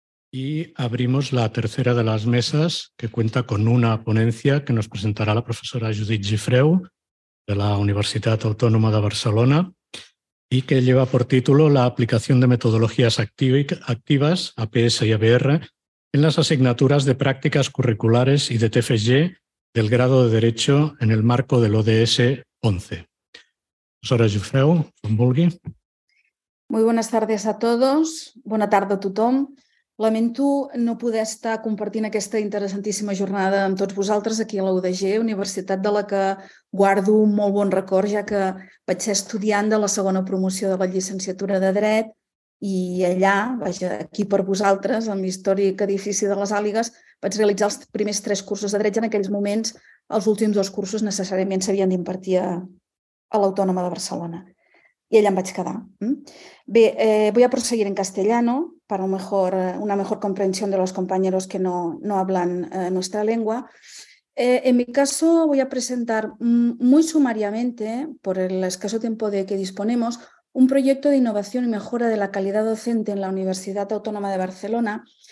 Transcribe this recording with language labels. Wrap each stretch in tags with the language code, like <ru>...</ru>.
<es>Y abrimos la tercera de las mesas, que cuenta con una ponencia que nos presentará la profesora Judith Gifreu, de la Universitat Autònoma de Barcelona, y que lleva por título La aplicación de metodologías activas, APS y ABR, en las asignaturas de prácticas curriculares y de TFG del grado de Derecho en el marco del ODS 11.</es> <ca>Profesora Gifreu, com vulgui.</ca> <es>Muy buenas tardes a todos. Buena tarde a tothom.</es> <ca>Lamento no poder estar compartint aquesta interessantíssima jornada amb tots vosaltres aquí a la UDG, universitat de la que guardo un molt bon record, ja que vaig ser estudiant de la segona promoció de la llicenciatura de Dret i allà, vaja, aquí per vosaltres, amb l'històric edifici de les Àligues, vaig realitzar els primers tres cursos de Dret. En aquells moments, els últims dos cursos necessàriament s'havien d'impartir a l'Autònoma de Barcelona.</ca> <es>Y allá me voy a quedar. Bien, voy a proseguir en castellano para una mejor comprensión de los compañeros que no hablan nuestra lengua. En mi caso voy a presentar muy sumariamente, por el escaso tiempo de que disponemos, un proyecto de innovación y mejora de la calidad docente en la Universidad Autónoma de Barcelona</es>